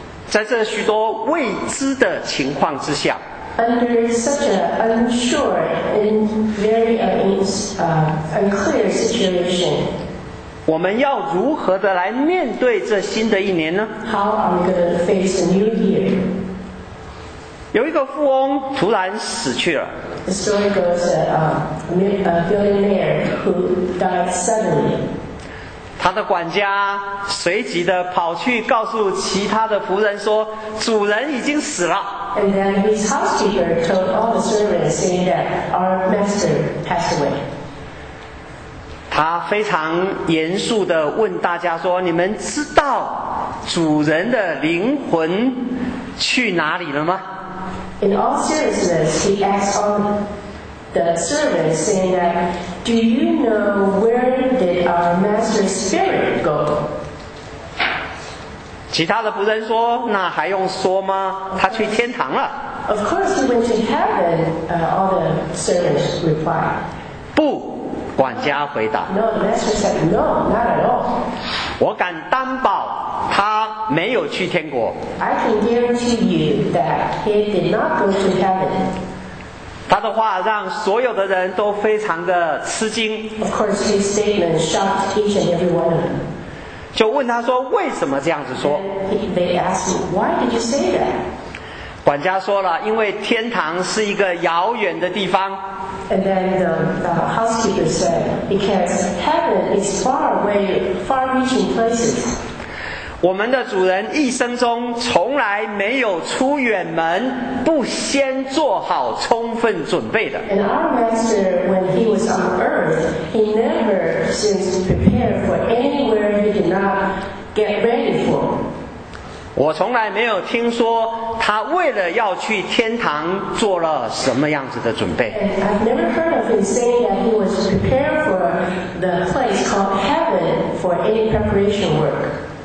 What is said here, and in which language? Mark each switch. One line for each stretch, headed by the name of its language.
Chinese: 在这许多未知的情况之下，
English: Under such an unsure and very unclear situation,
Chinese: 我们要如何的来面对这新的一年呢？
English: How are we going to face a new year?
Chinese: 有一个富翁突然死去了。
English: The story goes that a billionaire who died suddenly.
Chinese: 他的管家随即的跑去告诉其他的仆人说，主人已经死了。
English: And then his housekeeper told all the servants saying that our master passed away.
Chinese: 他非常严肃的问大家说，你们知道主人的灵魂去哪里了吗？
English: In all seriousness, he asked all the servants saying that, do you know where did our master's spirit go?
Chinese: 其他的仆人说，那还用说吗？他去天堂了。
English: Of course he went to heaven, all the servants replied.
Chinese: 不，管家回答。
English: No, the master said, no, not at all.
Chinese: 我敢担保他没有去天国。
English: I can guarantee you that he did not go to heaven.
Chinese: 他的话让所有的人都非常的吃惊。
English: Of course, his statement shocked each and every one of them.
Chinese: 就问他说，为什么这样子说？
English: They asked him, why did you say that?
Chinese: 管家说了，因为天堂是一个遥远的地方。
English: And then the housekeeper said, because heaven is far away, far-reaching places.
Chinese: 我们的主人一生中从来没有出远门不先做好充分准备的。
English: And our master, when he was on earth, he never seems to prepare for anywhere he did not get ready for.
Chinese: 我从来没有听说他为了要去天堂做了什么样子的准备。
English: And I've never heard of him saying that he was prepared for the place called heaven for any preparation work.